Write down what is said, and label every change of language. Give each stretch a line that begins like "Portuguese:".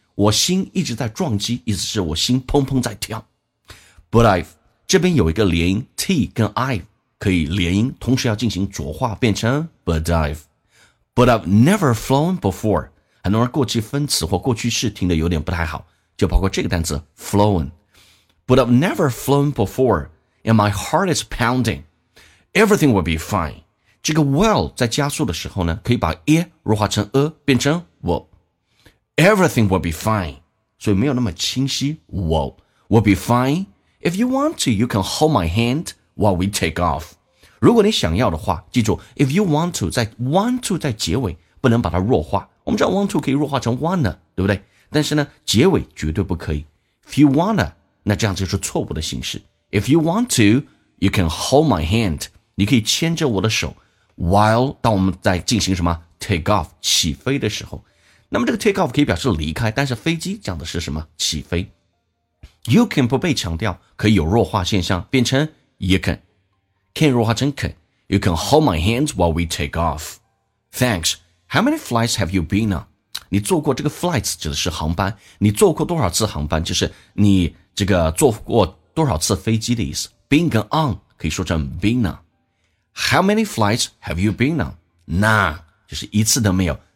Chinese: 我心一直在撞击，意思是我心砰砰在跳。
English: But I've
Chinese: 这边有一个连音 T 跟 I 可以连音，同时要进行浊化，变成 But I've.
English: But I've never flown before.
Chinese: 很多人过去分词或过去式听得有点不太好，就包括这个单词 flown.
English: But I've never flown before, and my heart is pounding. Everything will be fine.
Chinese: 这个 well 在加速的时候呢可以把 e 弱化成 a 变成
English: well everything will be fine
Chinese: 所以没有那么清晰
English: well will be fine if you want to you can hold my hand while we take off
Chinese: 如果你想要的话记住
English: if you want to
Chinese: 在 want to 在结尾不能把它弱化我们知道 want to 可以弱化成 wanna 对不对但是呢结尾绝对不可以
English: if you wanna
Chinese: 那这样就是错误的形式
English: if you want to you can hold my hand
Chinese: 你可以牵着我的手while 当我们在进行什么 take off 起飞的时候那么这个 take off 可以表示离开但是飞机讲的是什么起飞
English: You can
Chinese: 不被强调，可以有弱化现象，变成 You can. Can 弱化成 can.
English: You can hold my hands while we take off. Thanks. How many flights have you been on?
Chinese: 你坐过这个 flights 指的是航班，你坐过多少次航班，就是你这个坐过多少次飞机的意思。
English: Been 跟 on
Chinese: 可以说成
English: been on. How many flights have you been on? None.
Chinese: 就是一次都没有。